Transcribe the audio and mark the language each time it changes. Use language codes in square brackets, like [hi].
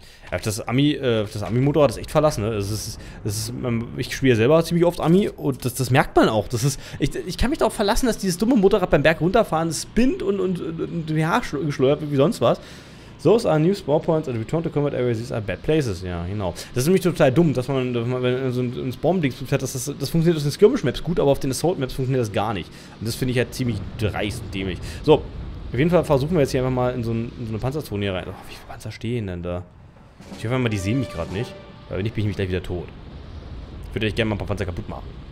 [de] Das Ami-Motorrad ist echt verlassen, ne? Ich spiele selber ziemlich oft Ami und das merkt man auch. Ich kann mich darauf verlassen, dass dieses dumme Motorrad beim Berg runterfahren spinnt und ja, geschleudert wie sonst was. [en] Those are new spawn points and return to combat areas. These are bad places. Ja, genau. [de] Das ist nämlich total dumm, dass man wenn so ein Spawn-Dings fährt, das funktioniert auf den Skirmish-Maps gut, aber auf den Assault-Maps funktioniert das gar nicht. Und das finde ich halt ziemlich dreist und dämlich. So, auf jeden Fall versuchen wir jetzt hier einfach mal in so eine Panzerzone hier rein. Oh, wie viele Panzer stehen denn da? Ich hoffe mal, die sehen mich gerade nicht. Weil wenn nicht, bin ich mich gleich wieder tot. Ich würde euch gerne mal ein paar Panzer kaputt machen.